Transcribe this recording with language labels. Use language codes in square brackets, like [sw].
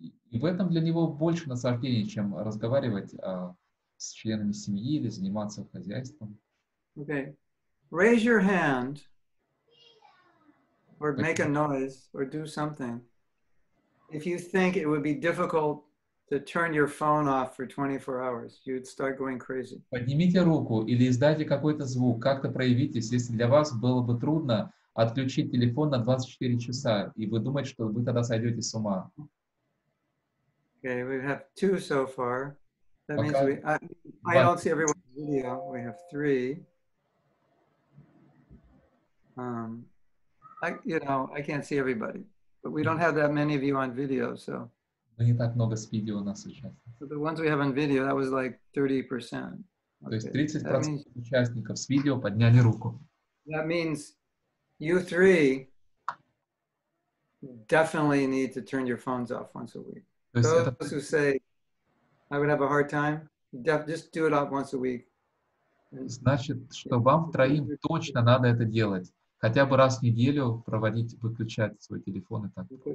[ru] И в этом для него больше наслаждения, чем разговаривать с членами семьи или заниматься хозяйством. [en] Okay. Raise your hand or make a noise or do something if you think it would be difficult to turn your phone off for 24 hours. You'd start going crazy. [ru] Поднимите руку или издайте какой-то звук, как-то проявитесь, если для вас было бы трудно отключить телефон на 24 часа, и вы думаете, что вы тогда сойдете с ума. [en] Okay, we have two so far. That means I don't see everyone's video. We have three. I can't see everybody. But we don't have that many of you on video, so. [ru] Но не так много с видео у нас сейчас. [en] So the ones we have on video, that was like 30%. [ru] То есть 30% участников с видео подняли руку. [en] That means you three definitely need to turn your phones off once a week. Those who say, I would have a hard time, just do it off once a week. [ru] Значит, что вам втроим точно надо это делать. Хотя бы раз в неделю проводить, выключать свой телефон и так.